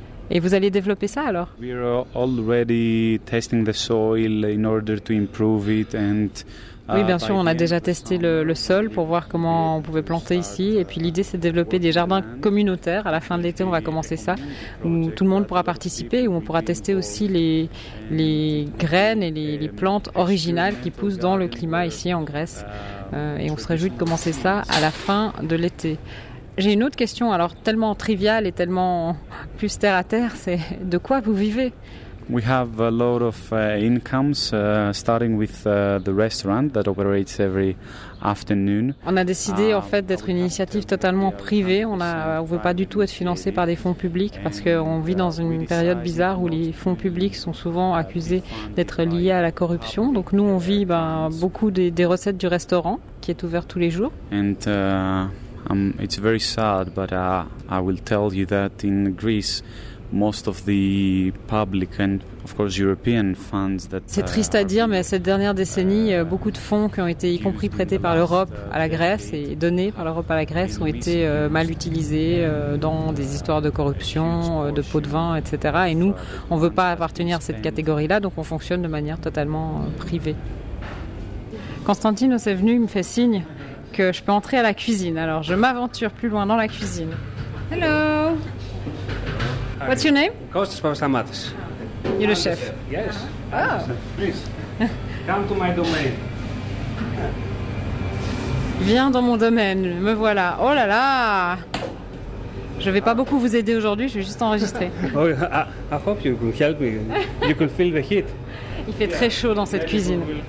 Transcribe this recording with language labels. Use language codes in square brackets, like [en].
[fr] Et vous allez développer ça alors ? [en] We are already testing the soil in order to improve it and. [fr] Oui, bien sûr, on a déjà testé le sol pour voir comment on pouvait planter ici. Et puis l'idée, c'est de développer des jardins communautaires. À la fin de l'été, on va commencer ça, où tout le monde pourra participer, où on pourra tester aussi les graines et les plantes originales qui poussent dans le climat ici en Grèce. Et on se réjouit de commencer ça à la fin de l'été. J'ai une autre question, alors tellement triviale et tellement plus terre à terre, c'est de quoi vous vivez ? [en] We have a lot of incomes, starting with the restaurant that operates every afternoon. [fr] On a décidé en fait d'être une initiative totalement privée. On veut pas du tout être financé par des fonds publics parce qu'on vit dans une période bizarre où les fonds publics sont souvent accusés d'être liés à la corruption. Donc nous, on vit beaucoup des recettes du restaurant qui est ouvert tous les jours. [en] And it's very sad, but I will tell you that in Greece. Most of the public and of course European funds that. [fr] C'est triste à dire, mais cette dernière décennie, beaucoup de fonds qui ont été, y compris prêtés par l'Europe à la Grèce et donnés par l'Europe à la Grèce, ont été mal utilisés dans des histoires de corruption, de pots de vin, etc. Et nous, on ne veut pas appartenir à cette catégorie-là, donc on fonctionne de manière totalement privée. Constantine est venu, il me fait signe que je peux entrer à la cuisine. Alors je m'aventure plus loin dans la cuisine. [en] Hello! What's your name? Kostas Papastamatis. You're the chef? Yes. Oh. Please, come to my domain. [fr] Viens dans mon domaine, me voilà. Oh là là! Je ne vais pas beaucoup vous aider aujourd'hui, je vais juste enregistrer. [en] I hope you can help me. You can feel the heat. [fr] Il fait très chaud dans cette cuisine.